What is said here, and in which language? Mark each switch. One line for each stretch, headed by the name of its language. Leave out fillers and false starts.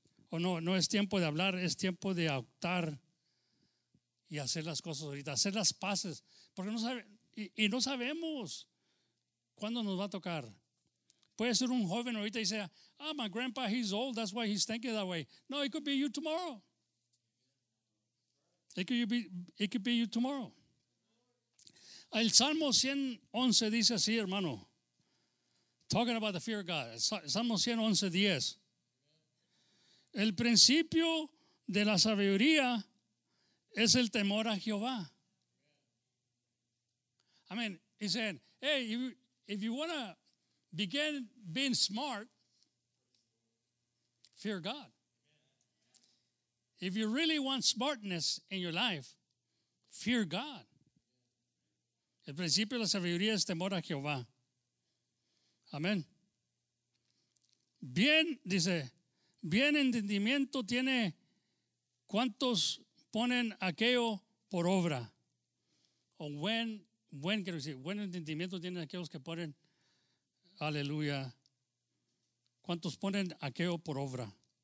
Spanish: O no, no es tiempo de hablar, es tiempo de actuar y hacer las cosas ahorita, hacer las paces. Porque no sabe, y no sabemos cuándo nos va a tocar. Puede ser un joven ahorita y sea,
English: ah, my grandpa, he's old, that's why he's thinking that way. No, it could be you tomorrow. It could be you tomorrow.
Spanish: El Salmo 111 dice así, hermano.
English: Talking about the fear of God. Salmo 111:10.
Spanish: El principio de la sabiduría es el temor a Jehová.
English: I mean, he's saying, hey, if you want to begin being smart, fear God. If you really want smartness in your life, fear God.
Spanish: El principio de la sabiduría es temor a Jehová. Amén. Bien, dice, bien entendimiento tiene cuántos ponen aquello por obra. O buen, quiero decir, buen entendimiento tienen aquellos que ponen, aleluya, cuántos ponen aquello por obra.